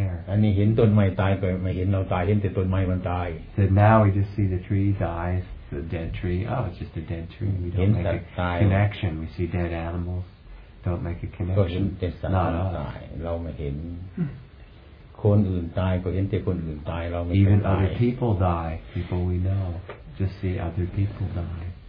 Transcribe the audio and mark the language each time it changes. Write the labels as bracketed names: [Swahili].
[Thai] อันนี้เห็นต้นไม้ตายไปไม่เห็นเราตายเห็นแต่ต้นไม้มันตาย [English] so now we just see the tree dies the dead tree oh it's just a dead tree we don't make a connection we see dead animals don't make a connection not us [Thai] เราไม่เห็นคนอื่นตายก็เห็นแต่คนอื่นตายเราไม่เห็นตาย [English] Even other people die people we know just see other people die